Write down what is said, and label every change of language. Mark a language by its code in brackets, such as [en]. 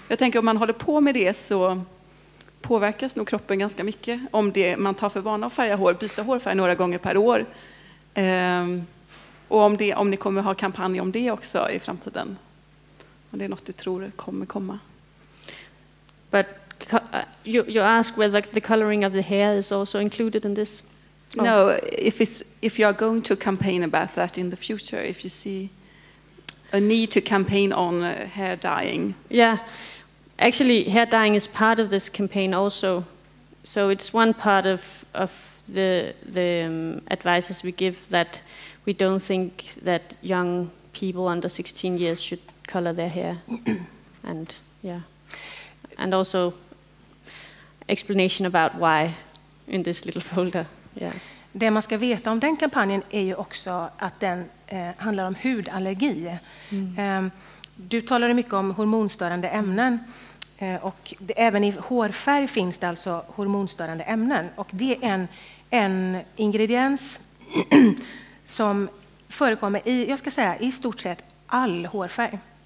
[sv] Jag tänker, om man håller på med det så påverkas nog kroppen ganska mycket om det man tar för vana att färga hår, byta hårfärg några gånger per år. Och om ni kommer ha kampanj om det också i framtiden. Om det är något du tror kommer komma. [en] But you ask whether the coloring of the hair is also included in this? Oh. No, if you are going to campaign about that in the future, if you see a need to campaign on hair dyeing. Yeah, actually, hair dyeing is part of this campaign also. So it's one part of the advices we give, that we don't think that young people under 16 years should color their hair. And yeah, and also explanation about why in this little folder. Yeah. [sv] Det man ska veta om den kampanjen är ju också att den handlar om hudallergi. Du talade mycket om hormonstörande ämnen. Och det, även i hårfärg finns det alltså hormonstörande ämnen. Och det är en ingrediens som förekommer i, jag ska säga, i stort sett all hårfärg.